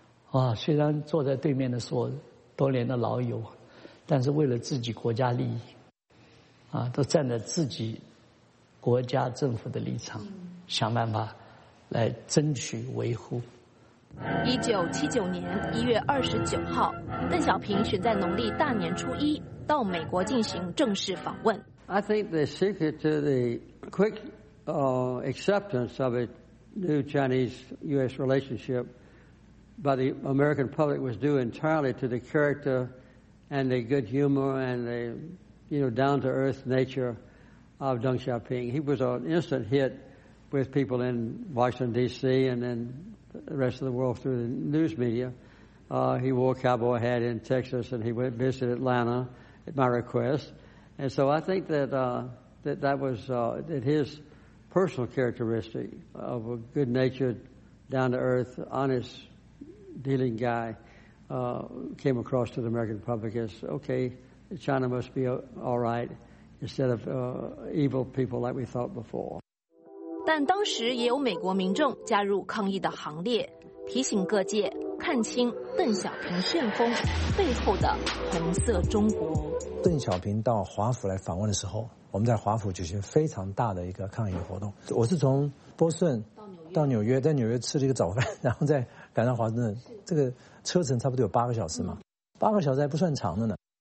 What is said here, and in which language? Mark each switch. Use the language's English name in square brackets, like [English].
[Chinese] 啊，虽然坐在对面的是我多年的老友，但是为了自己国家利益，啊，都站在自己国家政府的立场，想办法来争取维护。 1979年1月29号，邓小平选在农历大年初一到美国进行正式访问。 [English] I think the secret to the quick acceptance of a new Chinese-U.S. relationship. But the American public was due entirely to the character and the good humor and the, you know, down-to-earth nature of Deng Xiaoping. He was an instant hit with people in Washington, D.C. and then the rest of the world through the news media. He wore a cowboy hat in Texas and he went and visited Atlanta at my request. And so I think that, that his personal characteristic of a good-natured, down-to-earth, honestdealing guy, came across to the American public as, okay, China must be all right, instead of evil people like we thought before. [Chinese] 但当时也有美国民众加入抗议的行列，提醒各界看清邓小平旋风背后的红色中国。邓小平到华府来访问的时候，我们在华府举行非常大的一个抗议活动。我是从波顺到纽约，在纽约吃了一个早饭，然后在赶到华盛顿，这个车程差不多有8个小时嘛，8个小时还不算长的呢。